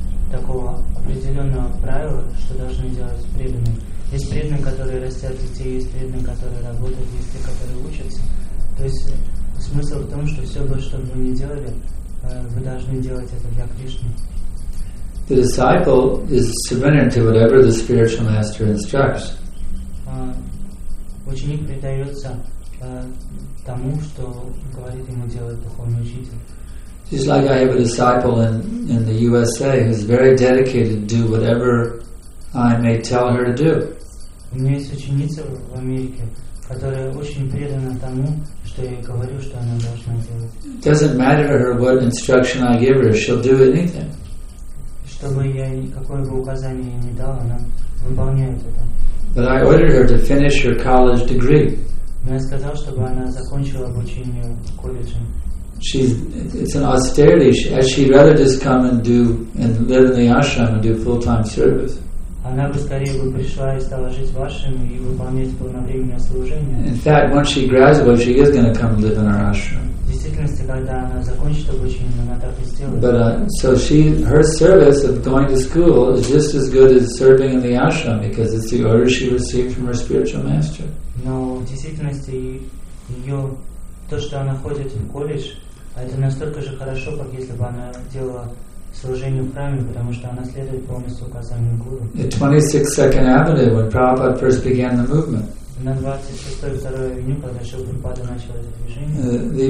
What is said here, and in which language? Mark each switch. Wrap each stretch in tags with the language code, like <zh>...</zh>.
<ru>Такого определенного правила, что должны делать преданные. Есть преданные, которые растят детей, есть преданные, которые работают, есть те, которые учатся. То есть смысл в том, что все, что бы вы ни делали, вы должны делать это для Кришны.</ru> <en>The disciple is surrendered to whatever the spiritual master instructs.</en> <ru>Ученик предается тому, что говорит ему делать духовный учитель.</ru> <en>Just like I have a disciple in the USA who's very dedicated to do whatever I may tell her to do.</en> <ru>У меня есть ученица в Америке, которая очень предана тому, что я говорю, что она должна делать.</ru> <en>It doesn't matter to her what instruction I give her, she'll do anything.</en> <ru>Чтобы я какое бы указание ни дал, она выполняет это.</ru> <en>But I ordered her to finish her college degree.</en> <ru>Но я сказал, чтобы она закончила обучение в колледже.</ru> <en>It's an austerity. She'd rather just come and do and live in the ashram and do full-time service.</en> <ru>Она бы скорее бы пришла и стала жить в ашраме и выполнять полновременное служение.</ru> <en>In fact, once she graduates, she is going to come live in our ashram.</en> <ru>В действительности, когда она закончит обучение, она так и сделает.</ru> <en>But her service of going to school is just as good as serving in the ashram because it's the order she received from her spiritual master.</en> <ru>Но в действительности ее то, что она ходит в колледж, это настолько же хорошо, как если бы она делала служение в храме, потому что она следует полностью указаниям гуру.</ru> <en>At 26 Second Avenue, when Prabhupada first began the movement.</en> <ru>На 26-й второй авеню, когда Шрила Прабхупада начал это движение.</ru>